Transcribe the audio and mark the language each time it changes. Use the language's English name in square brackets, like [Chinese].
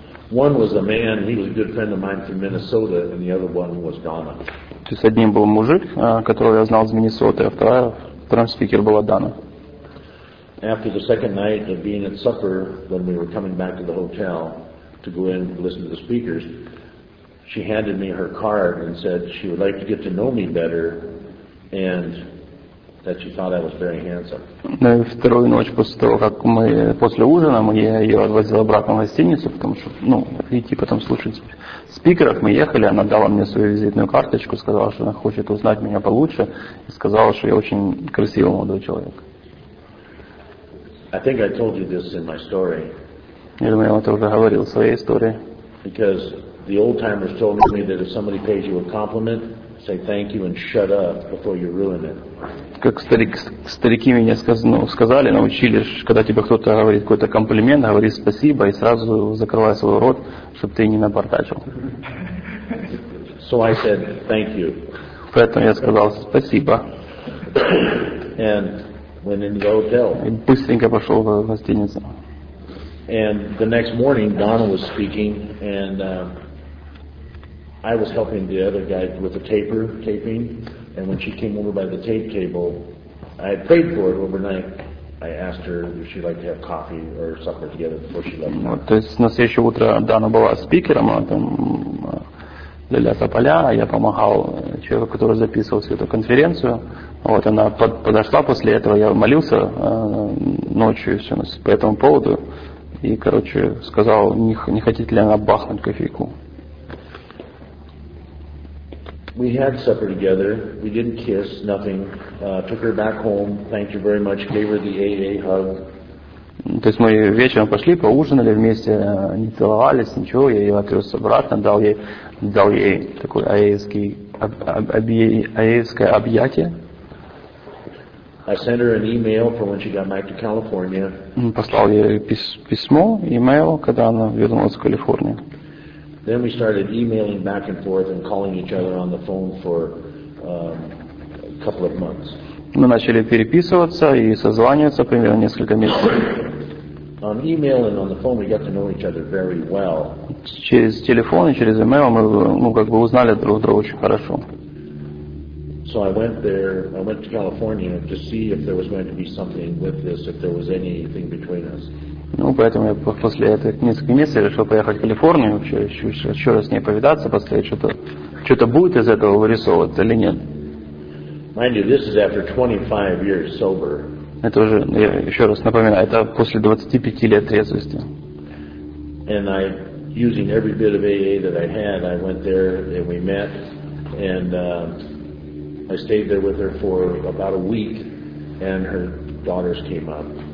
[English] One was a man, he was a good friend of mine from Minnesota, and the other one was Donna. [Russian] То есть одним был мужик, которого я знал из Миннесоты, а вторым спикер была Дана. [English] After the second night of being at supper, when we were coming back to the hotel to go in and listen to the speakers, she handed me her card and said she would like to get to know me better, and that she thought I was very handsome. [Russian] Ну, вторую ночь после того, как мы после ужина, я ее отвозил обратно в гостиницу, потому что, ну, идти потом слушать спикеров, мы ехали, она дала мне свою визитную карточку, сказала, что она хочет узнать меня получше, и сказала, что я очень красивый молодой человек. [English] I think I told you this in my story. [Russian] Я думаю, я вам это уже говорил в своей истории. [English] Because the old timers told me that if somebody pays you a compliment, say thank you and shut up before you ruin it. [Russian] Как старики меня сказали, научили, когда тебе кто-то говорит какой-то комплимент, говори спасибо и сразу закрывай свой рот, чтобы ты не напортачил. [English] So I said thank you. [Russian] Поэтому я сказал спасибо. [English] And went into the hotel. [Russian] И быстренько пошел в гостиницу. [English] And the next morning Donna was speaking and I was helping the other guy with the taping, and when she came over by the tape table, I had prayed for it overnight. I asked her if she'd like to have coffee or supper together before she left. [Russian] Вот, то есть на следующее утро Дана была спикером, а там для тополя, я помогал человеку, который записывал всю эту конференцию. Вот, она подошла после этого, я молился ночью все, по этому поводу, и, короче, сказал, не хотите ли она бахнуть кофейку. [English] We had supper together. We didn't kiss, nothing. Took her back home. Thank you very much. Gave her the AA hug. [Russian] То есть мы вечером пошли, поужинали вместе, не целовались, ничего. Я ее отвез обратно, дал ей такое аэйское объятие. [English] I sent her an email for when she got back to California. [Russian] Послал ей письмо, email, когда она вернулась в Калифорнию. [English] Then we started emailing back and forth and calling each other on the phone for a couple of months. [Russian] Мы начали переписываться и созваниваться примерно несколько месяцев. [English] On email and on the phone we got to know each other very well. [Russian] Через телефон и через email мы, ну, как бы узнали друг друга очень хорошо. [English] So I went to California to see if there was going to be something with this, if there was anything between us. [Russian] Ну, поэтому я после этих нескольких месяцев решил поехать в Калифорнию, вообще еще раз с ней повидаться, посмотреть, что-то будет из этого вырисовываться или нет. [English] Mind you, this is after 25 years sober. [Russian] Это уже, я еще раз напоминаю, это после 25 лет трезвости. [English] And I, using every bit of AA that I had, I went there and we met, and I stayed there with her for about a week, and her daughters came up.